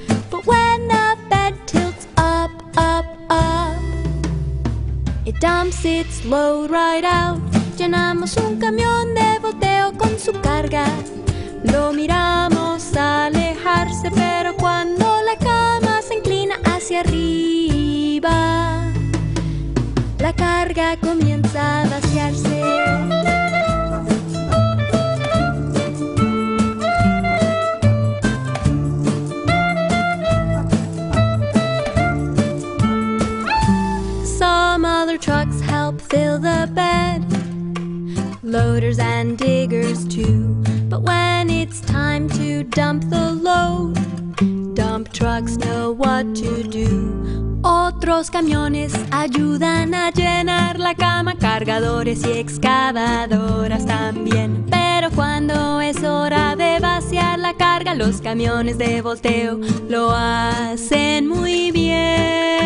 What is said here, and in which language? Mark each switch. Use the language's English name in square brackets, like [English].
[English] But when the bed tilts up, up, up, it dumps its load right out. [Spanish] Llenamos un camión de volteo con su carga. Lo miramos alejarse, pero cuando la cama se inclina hacia arriba, la carga comienza a vaciarse. [English] Trucks help fill the bed, loaders and diggers too. But when it's time to dump the load, dump trucks know what to do. [Spanish] Otros camiones ayudan a llenar la cama, cargadores y excavadoras también. Pero cuando es hora de vaciar la carga, los camiones de volteo lo hacen muy bien.